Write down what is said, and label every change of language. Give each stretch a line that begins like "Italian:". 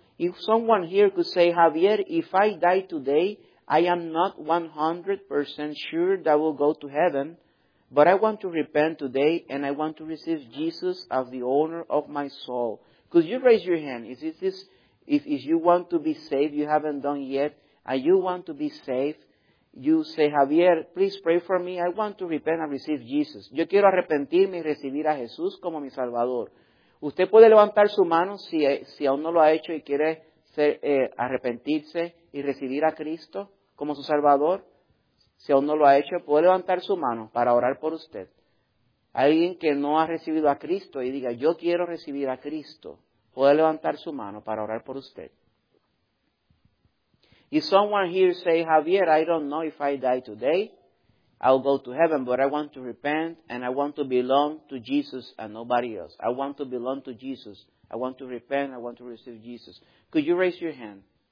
English: If someone here could say, Javier, if I die today, I am not 100% sure that I will go to heaven, but I want to repent today and I want to receive Jesus as the owner of my soul. Could you raise your hand? If you want to be saved, you haven't done yet, and you want to be saved, you say, Javier, please pray for me. I want to repent and receive Jesus.
Spanish: Yo quiero arrepentirme y recibir a Jesús como mi Salvador. Usted puede levantar su mano si aún no lo ha hecho y quiere arrepentirse y recibir a Cristo como su Salvador. Si aún no lo ha hecho, puede levantar su mano para orar por usted. Alguien que no ha recibido a Cristo y diga, yo quiero recibir a Cristo, puede levantar su mano para orar por usted.
English: If someone here say, Javier, I don't know if I die today, I'll go to heaven, but I want to repent and I want to belong to Jesus and nobody else. I want to belong to Jesus. I want to repent. I want to receive Jesus. Could you raise your hand?